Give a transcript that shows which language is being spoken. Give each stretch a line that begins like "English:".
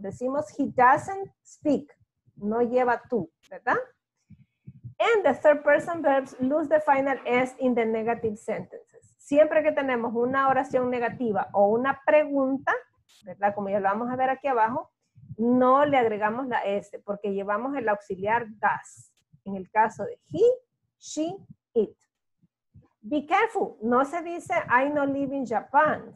Spanish: Decimos
English: he doesn't speak,
Spanish: no lleva tú, ¿verdad?
English: And the third person verbs lose the final S in the negative sentences.
Spanish: Siempre que tenemos una oración negativa o una pregunta, ¿verdad? Como ya lo vamos a ver aquí abajo, no le agregamos la S porque llevamos el auxiliar does. En el caso de he, she, it.
English: Be careful.
Spanish: No se dice
English: I don't live in Japan.